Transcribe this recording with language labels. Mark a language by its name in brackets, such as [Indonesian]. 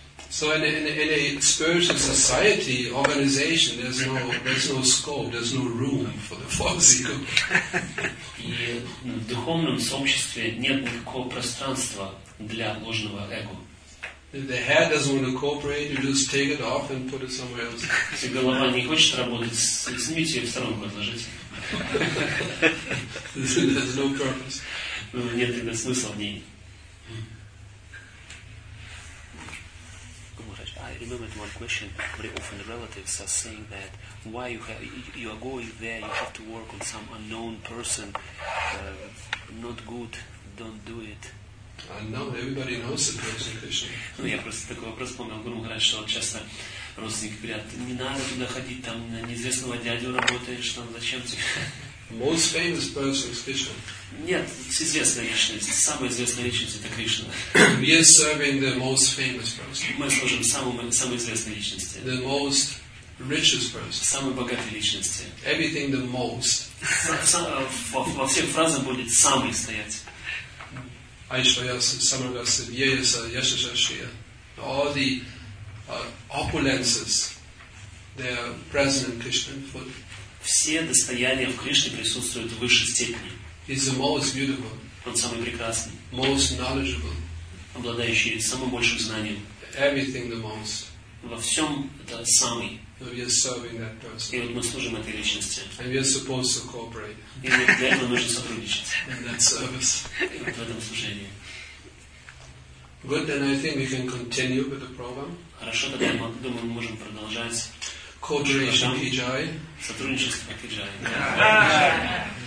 [English] So in a spiritual society organization, there's no scope, there's no room for the false ego. [Russian] И в духовном сообществе нет никакого пространства для ложного эго. [English] If the head doesn't want to cooperate, you just take it off and put it somewhere else. [Russian] Если голова не хочет работать, снимите ее в сторонку, отложите. [English] There's no purpose. [Russian] Ну, нет тогда смысла в ней. [English] Remember the one question very often relatives are saying that why you are going there, you have to work on some unknown person, not good, don't do it. Unknown, everybody knows the person, Krishna. [Russian] Ну, я просто такой вопрос помню, Гуру Махарадж, что вот часто родственники говорят, не надо туда ходить, там на неизвестного дядю работаешь, там зачем тебе? [English] Most famous person is Krishna. [Russian] Нет, известная личность. Самая известная личность это Кришна. [English] We are serving the most famous person. [Russian] Мы служим самой известной личности. [English] The most richest person. [Russian] Самой богатой личности. [English] Everything the most. [Russian] Во всех фразах будет самый стоять. [Sanskrit] Айшвая Самрагаса, Вьеяса, Яшашашия. [English] All the opulences, they are present in Krishna. [Russian] Все достояния в Кришне присутствуют в высшей степени. [English] He's the most beautiful. [Russian] Он самый прекрасный. [English] Most knowledgeable. [Russian] Обладающий самым большим знанием. [English] Everything the most. [Russian] Во всем это самый. [English] So we are serving that person. [Russian] И вот мы служим этой личности. [English] And we are supposed to cooperate. [Russian] И мы для этого нужно сотрудничать. [English] In that service. [Russian] И вот в этом служении. [English] Good, then I think we can continue with the program. [Russian] Хорошо, тогда я думаю, мы можем продолжать. [English] Cooperation Kijai. [Russian] Сотрудничество Kijai.